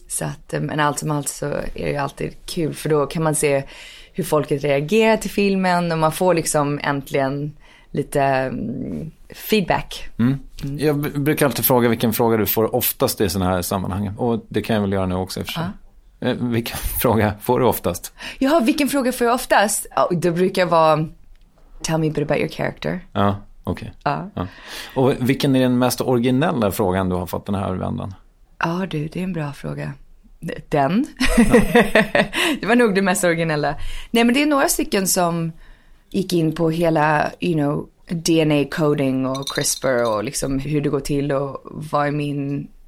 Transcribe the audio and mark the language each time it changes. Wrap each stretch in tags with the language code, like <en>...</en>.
<sv>Så att, men allt som allt så är det alltid kul, för då kan man se hur folket reagerar till filmen och man får liksom äntligen lite feedback. Mm. Jag brukar alltid fråga vilken fråga du får oftast i såna här sammanhang, och det kan jag väl göra nu också eftersom. Vilken fråga får du oftast? Ja, vilken fråga får jag oftast? Det brukar vara</sv> <en>tell me a bit about your character.</en> <sv>Ja, okej. Okay. Och vilken är den mest originella frågan du har fått den här vändan? Ja, du, det är en bra fråga. Den? Ja. Det var nog det mest originella. Nej, men det är några stycken som gick in på hela, you know, DNA coding och CRISPR och liksom hur det går till och vad är min...</sv>